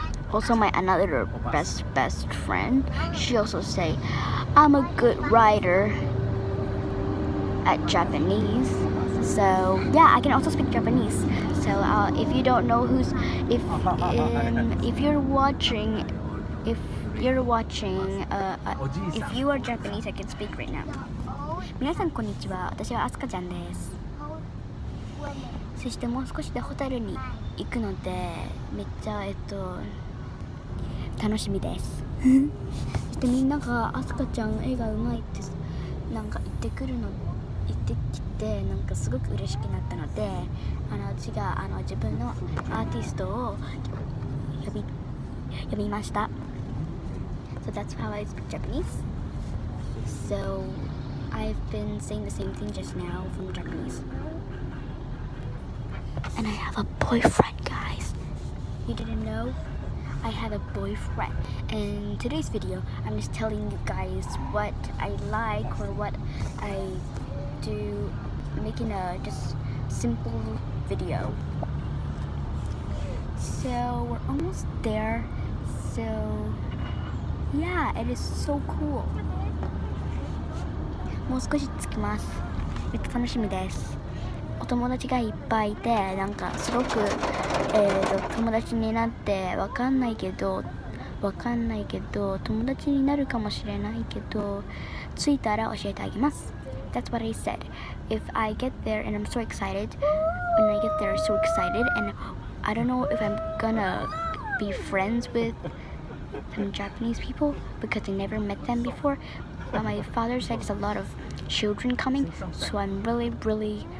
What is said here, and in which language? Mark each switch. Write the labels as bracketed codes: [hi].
[en] Also, my another best friend, she also say, I'm a good writer at Japanese. So yeah, I can also speak Japanese. So if you are Japanese, I can speak right now. [ja] 皆さんこんにちは。私はアスカちゃんです。そしてもう少しでホテルに行くので、めっちゃ楽しみです。そしてみんながアスカちゃん絵がうまいってなんか言ってきてなんかすごく嬉しくなったので、私が自分のアーティストを呼びました。 [en] So that's how I speak Japanese. So I've been saying the same thing just now from Japanese. And I have a boyfriend, guys. You didn't know? I have a boyfriend. In today's video, I'm just telling you guys what I like or what I do, making a just simple video. So we're almost there. So yeah, it is so cool. [ja] もう少し着きます。めっちゃ楽しみです。お友達がいっぱいいて、なんかすごく友達になってわかんないけど友達になるかもしれないけど着いたら教えてあげます。 [en] That's what I said. If I get there and I'm so excited, when I get there, so excited, and I don't know if I'm gonna be friends with some Japanese people because I never met them before. But my father said there's a lot of children coming, so I'm really, really.